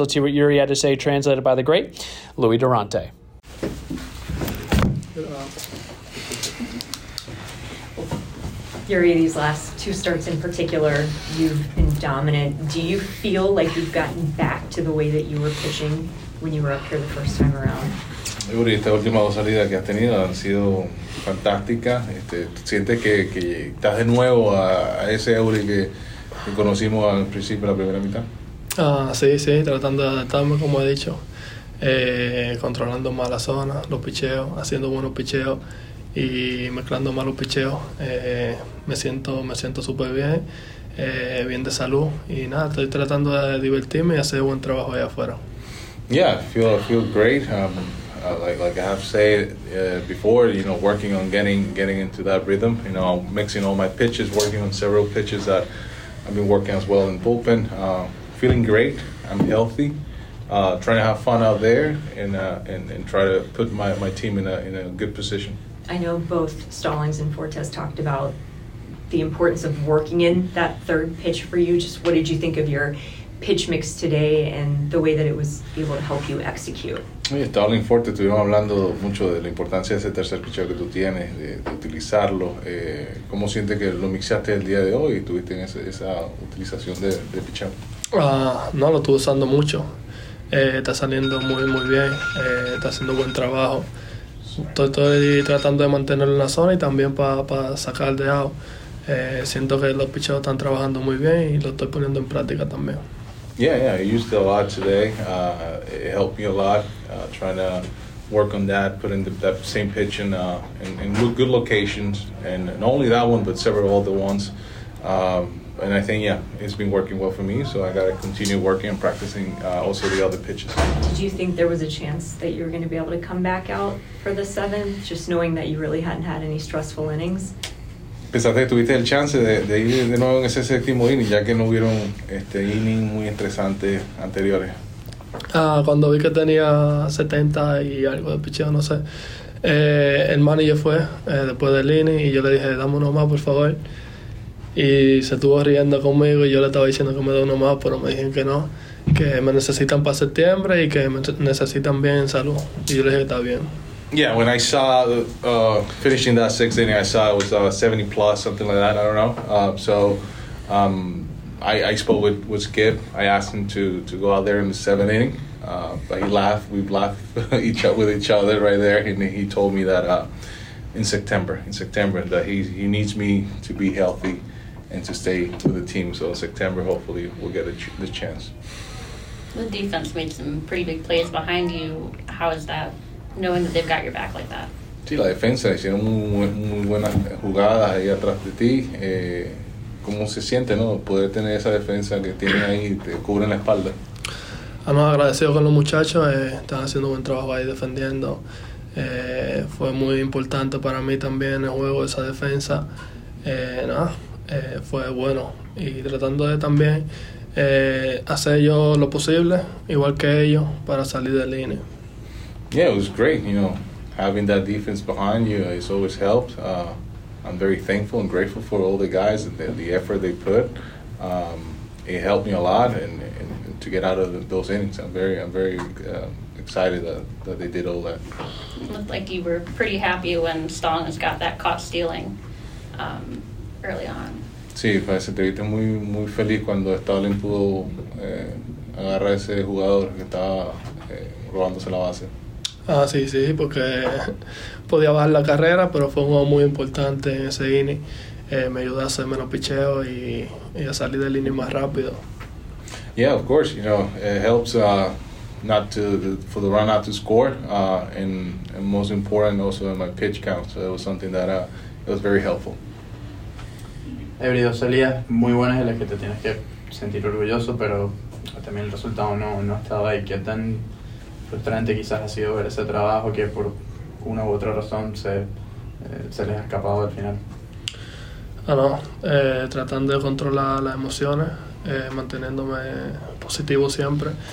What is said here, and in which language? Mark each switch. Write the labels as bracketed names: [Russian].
[English] Let's see what Yuri had to say, translated by the great Louis Durante. Yuri, these last two starts in particular, you've been dominant. Do you feel like you've gotten back to the way that you were pitching when you were up here the first time around? [Spanish] Yuri, estas últimas dos salidas que has tenido han sido fantásticas. ¿Sientes que estás de nuevo a ese Yuri que conocimos al principio de la primera mitad? Sí, tratando de adaptarme, como he dicho, controlando más la zona, los picheos, haciendo buenos picheos y mezclando más los picheos. Me siento súper bien, bien de salud y nada, estoy tratando de divertirme y hacer buen trabajo allá afuera. [English] Yeah, I feel great. Like I have said before, you know, working on getting into that rhythm, you know, mixing all my pitches, working on several pitches that I've been working as well in bullpen. Feeling great, I'm healthy, trying to have fun out there and try to put my team in a good position. I know both Stallings and Fortes talked about the importance of working in that third pitch for you. Just what did you think of your pitch mix today and the way that it was able to help you execute? [Spanish] Oye, Stallings, Fortes, estuvimos hablando mucho de la importancia de ese tercer picheo que tú tienes, de utilizarlo. ¿Cómo sientes que lo mixaste el día de hoy y tuviste en esa utilización de picheo? No, lo estuve usando mucho. Está saliendo muy, muy bien. Está haciendo buen trabajo. Estoy tratando de mantenerlo en la zona y también pa sacar de out. Siento que los picheos están trabajando muy bien y lo estoy poniendo en práctica también. [English] Yeah, I used it a lot today. It helped me a lot. Trying to work on that, putting that same pitch in good locations, and not only that one, but several other ones. And I think, yeah, it's been working well for me, so I got to continue working and practicing also the other pitches. Did you think there was a chance that you were going to be able to come back out for the seventh, just knowing that you really hadn't had any stressful innings? [Spanish] ¿Pensaste que tuviste el chance de ir de nuevo en ese séptimo inning, ya que no hubieron innings muy estresantes anteriores? Cuando vi que tenía 70 y algo de picheo, no sé, el manager fue después del inning y yo le dije, dame uno más, por favor. Y se estuvo riendo conmigo y yo le estaba diciendo que me dé uno más, pero me dijeron que no, que me necesitan para septiembre y que me necesitan bien en salud. Y yo le dije, está bien. [English] Yeah, when I saw finishing that sixth inning, I saw it was 70 plus, something like that, I don't know. So I spoke with Skip. I asked him to go out there in the seventh inning. But he laughed. We laughed with each other right there. And he told me that in September, that he needs me to be healthy and to stay with the team. So in September, hopefully, we'll get the chance. The defense made some pretty big plays behind you. How is that? Knowing that they've got your back like that. [Spanish] Sí, la defensa hicieron muy buenas jugadas ahí atrás de ti. ¿Cómo se siente, no? Poder tener esa defensa que tiene ahí te cubre en la espalda. No, agradecido con los muchachos. Están haciendo un buen trabajo ahí defendiendo. Fue muy importante para mí también el juego, esa defensa. Fue bueno. Y tratando de también hacer yo lo posible, igual que ellos, para salir de línea. [English] Yeah, it was great, you know, having that defense behind you, it's always helped. I'm very thankful and grateful for all the guys and the effort they put. It helped me a lot and to get out of those innings. I'm very excited that they did all that. Looked like you were pretty happy when Stallings got that caught stealing early on. [Spanish] Sí, pues, te viste muy, muy feliz cuando Stallings pudo agarrar ese jugador que estaba robándose la base. Ah, sí, sí, porque podía bajar la carrera, pero fue un juego muy importante en ese inning. Me ayudó a hacer menos picheo y a salir del inning más rápido. [English] Yeah, of course, you know, it helps not to for the run out to score, and most important also in my pitch count. So it was something that it was very helpful. [Spanish] Ebrido, salidas muy buenas en las que te tienes que sentir orgulloso, pero también el resultado no estaba ahí. ¿Qué tan frustrante quizás ha sido ver ese trabajo que por una u otra razón se les ha escapado al final? No, tratando de controlar las emociones, manteniéndome positivo siempre.